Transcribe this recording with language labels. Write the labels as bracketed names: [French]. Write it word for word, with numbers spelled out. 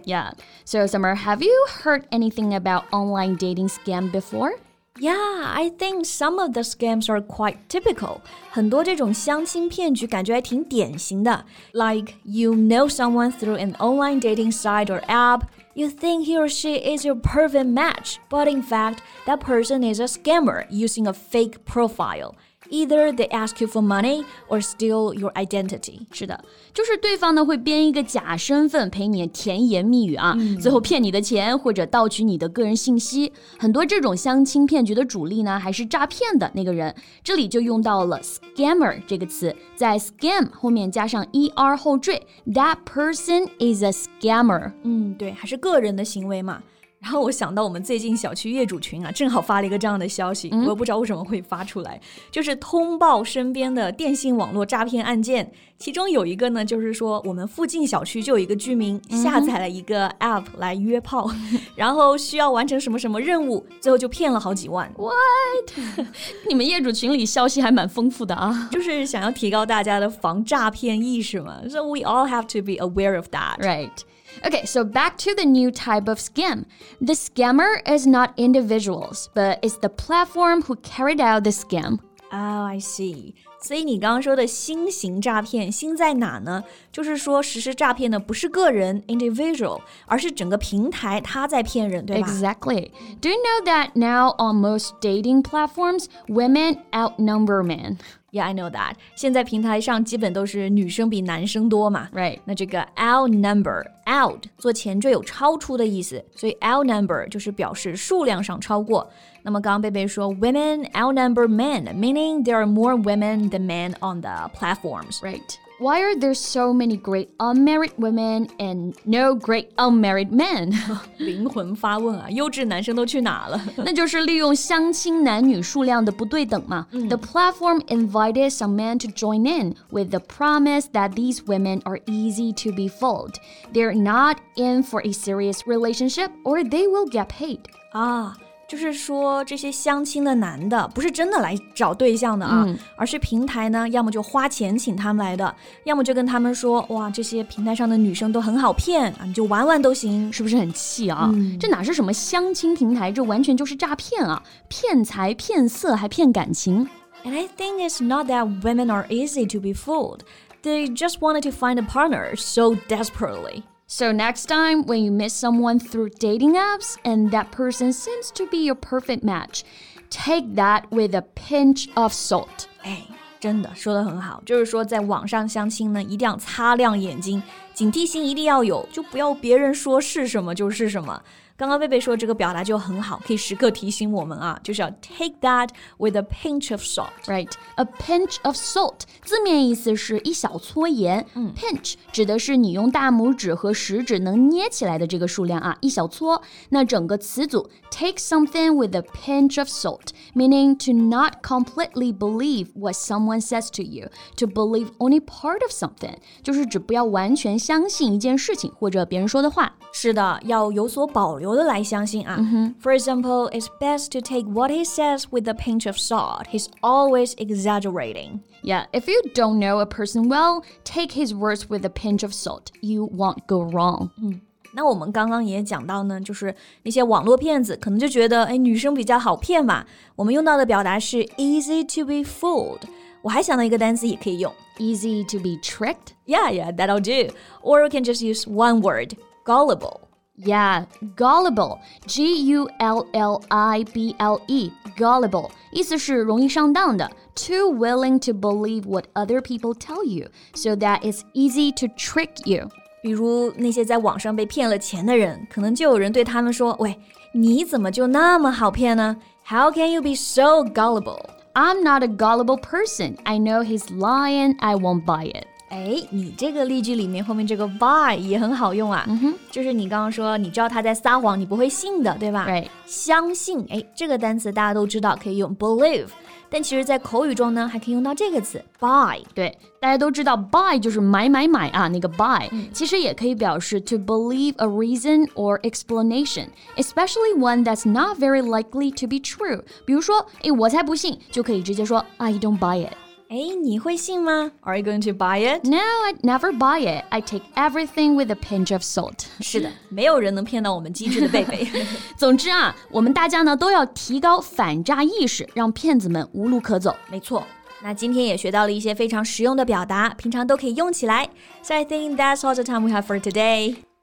[English] Yeah, so Summer, have you heard anything about online dating scam before? Yeah, I think some of the scams are quite typical. [Chinese] 很多这种相亲骗局感觉还挺典型的。 [English] Like, you know someone through an online dating site or app. You think he or she is your perfect match, but in fact, that person is a scammer using a fake profile. Either they ask you for money or steal your identity. [Chinese] 是的，就是对方呢会编一个假身份陪你甜言蜜语啊，嗯、最后骗你的钱或者盗取你的个人信息。很多这种相亲骗局的主力呢还是诈骗的那个人。这里就用到了 scammer 这个词，在 scam 后面加上 er 后缀 ， [English] that person is a scammer. [Chinese] 嗯，对，还是个人的行为嘛。然后我想到我们最近小区业主群啊，正好发了一个这样的消息，我也不知道为什么会发出来，就是通报身边的电信网络诈骗案件，其中有一个呢，就是说我们附近小区就有一个居民下载了一个 app 来约炮，然后需要完成什么什么任务，最后就骗了好几万。 [English] What？ [Chinese] 你们业主群里消息还蛮丰富的啊，就是想要提高大家的防诈骗意识嘛。 [English] So we all have to be aware of that. Right. Okay, so back to the new type of scam. The scammer is not individuals, but it's the platform who carried out the scam. Oh, I see. [Chinese] 所以你刚刚说的新型诈骗，新在哪呢？就是说实施诈骗的不是个人 individual, 而是整个平台它在骗人，对吧？ [English] Exactly. Do you know that now on most dating platforms, women outnumber men? Yeah, I know that. [Chinese] 现在平台上基本都是女生比男生多嘛。 [English] Right. [Chinese] 那这个 outnumber, out 做前缀有超出的意思，所以 outnumber 就是表示数量上超过。那么刚刚贝贝说 [English] women outnumber men, meaning there are more women than men on the platforms. Right. Why are there so many great unmarried women and no great unmarried men? [Chinese] 灵魂发问啊，优质男生都去哪了？那就是利用相亲男女数量的不对等嘛。 [English] 嗯、the platform invited some men to join in with the promise that these women are easy to be fooled. They're not in for a serious relationship or they will get paid. [Chinese] 啊。就是说这些相亲的男的不是真的来找对象的啊、嗯、而是平台呢要么就花钱请他们来的，要么就跟他们说哇这些平台上的女生都很好骗啊，你就玩玩都行，是不是很气啊、嗯、这哪是什么相亲平台，这完全就是诈骗啊，骗财骗色还骗感情。 [English] And I think it's not that women are easy to be fooled. They just wanted to find a partner so desperately. So next time, when you meet someone through dating apps and that person seems to be your perfect match, take that with a pinch of salt. [Chinese] 哎，真的说得很好，就是说在网上相亲呢，一定要擦亮眼睛，警惕心一定要有，就不要别人说是什么就是什么。刚刚贝贝说这个表达就很好，可以时刻提醒我们啊，就是要 [English] take that with a pinch of salt. Right, a pinch of salt. [Chinese] 字面意思是一小撮盐。嗯、pinch 指的是你用大拇指和食指能捏起来的这个数量啊，一小撮。那整个词组 [English] take something with a pinch of salt, meaning to not completely believe what someone says to you, to believe only part of something. [Chinese] 就是指不要完全相信一件事情或者别人说的话。是的，要有所保留。Mm-hmm. [English] For example, it's best to take what he says with a pinch of salt. He's always exaggerating. Yeah, if you don't know a person well, take his words with a pinch of salt. You won't go wrong. [Chinese] 嗯，那我们刚刚也讲到呢，就是那些网络骗子可能就觉得，哎，女生比较好骗嘛。我们用到的表达是 easy to be fooled. 我还想到一个单词也可以用 [English] easy to be tricked. Yeah, yeah, that'll do. Or you can just use one word, gullible. Yeah, gullible, G U L L I B L E, gullible, [Chinese] 意思是容易上当的 [English] too willing to believe what other people tell you, so that it's easy to trick you. [Chinese] 比如那些在网上被骗了钱的人，可能就有人对他们说，喂，你怎么就那么好骗呢？ [English] How can you be so gullible? I'm not a gullible person. I know he's lying. I won't buy it. [Chinese] 哎，你这个例句里面后面这个 buy 也很好用啊， mm-hmm. 就是你刚刚说你知道他在撒谎，你不会信的，对吧？ [English] Right. [Chinese] 相信，哎，这个单词大家都知道可以用 believe， 但其实在口语中呢，还可以用到这个词 buy。对，大家都知道 buy 就是买买买啊，那个 buy、嗯、其实也可以表示 [English] to believe a reason or explanation, especially one that's not very likely to be true。 [Chinese] 比如说，哎，我才不信，就可以直接说 [English] I don't buy it。 [Chinese] 哎，你会信吗？ [English] Are you going to buy it? No, I'd never buy it. I take everything with a pinch of salt. [Chinese] 是的，没有人能骗到我们机智的贝贝。总之啊，我们大家呢都要提高反诈意识，让骗子们无路可走。没错。那今天也学到了一些非常实用的表达，平常都可以用起来。 [English] So I think that's all the time we have for today.